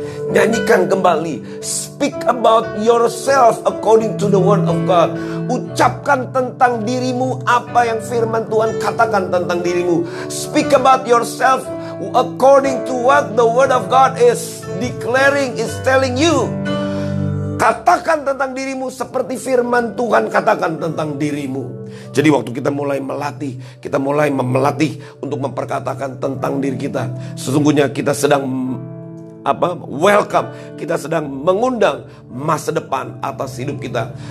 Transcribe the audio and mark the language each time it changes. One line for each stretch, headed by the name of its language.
Indonesian: Nyanyikan kembali,
English: speak about yourself according to the word of God.
Indonesian: Ucapkan tentang dirimu apa yang firman Tuhan katakan tentang dirimu.
English: Speak about yourself according to what the word of God is declaring, is telling you.
Indonesian: Katakan tentang dirimu seperti firman Tuhan katakan tentang dirimu. Jadi waktu kita mulai melatih, kita mulai melatih untuk memperkatakan tentang diri kita, sesungguhnya kita sedang welcome, kita sedang mengundang masa depan atas hidup kita.